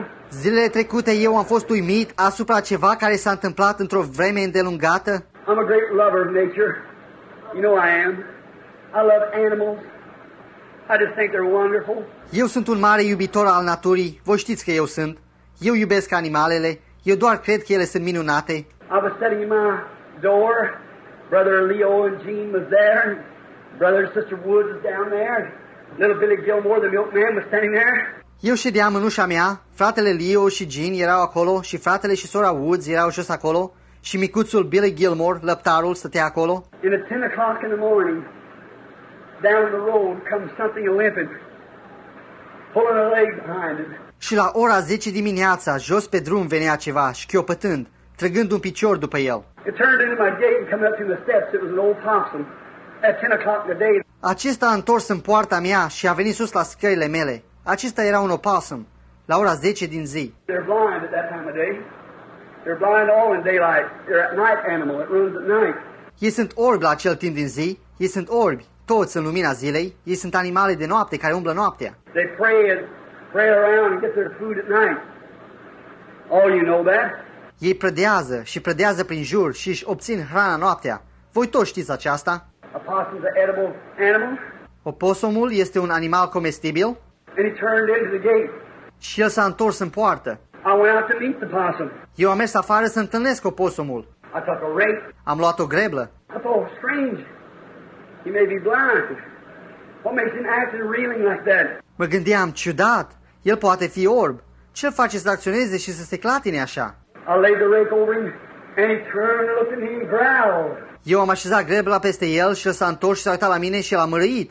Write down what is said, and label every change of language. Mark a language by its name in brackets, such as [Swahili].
[Romanian] Zilele trecute eu am fost uimit asupra ceva care s-a întâmplat într-o vreme îndelungată. [English] I'm a great lover of nature. You know I am. I love animals. I just think they're wonderful. [Romanian] Eu sunt un mare iubitor al naturii. Voi știți că eu sunt. Eu iubesc animalele. Eu doar cred că ele sunt minunate. [English] I was sitting in my door. Brother Leo and Jean was there. Brother and Sister Woods was down there. Little Billy Gilmore, the milkman, was standing there. [Romanian] Eu ședeam în ușa mea, fratele Leo și Jean erau acolo și fratele și sora Woods erau jos acolo și micuțul Billy Gilmore, lăptarul, stătea acolo. [English] And at 10 o'clock in the morning, down the road comes something limping, pulling a leg behind it. [Romanian] Și la ora 10 dimineața, jos pe drum venea ceva, șchiopătând, trăgând un picior după el. [English] It turned into my gate and came up to the steps. It was an old possum. At 10 o'clock in the day. [Romanian] Acesta a întors în poarta mea și a venit sus la scările mele. Acesta era un opossum, la ora 10 din zi. [English] They're blind at that time of day. They're blind all in daylight. They're a night animal. It runs at night. [Romanian] Ei sunt orbi la acel timp din zi. Ei sunt orbi, toți în lumina zilei. Ei sunt animale de noapte care umblă noaptea. [English] They pray around and get their food at night. All you know that. [Romanian] Ei prădează și prădează prin jur și își obțin hrana noaptea. Voi toți știți aceasta. [English] Opossum's an edible animal. [Romanian] Opossumul este un animal comestibil. [English] And he turned into the gate. [Romanian] Și el s-a întors în poartă. [English] I went out to meet the possum. [Romanian] Eu am mers afară să întâlnesc opossumul. [English] I took a rake. [Romanian] Am luat o greblă. [English] I thought, strange. He may be blind. What makes him act and reeling like that? [Romanian] Mă gândeam, ciudat. El poate fi orb. Ce-l face să acționeze și să se clatine așa? [English] I laid the rake over him and he turned and looked at me and growled. [Romanian] Eu am așezat grebla peste el și el s-a întors și s-a uitat la mine și l-a mărăit.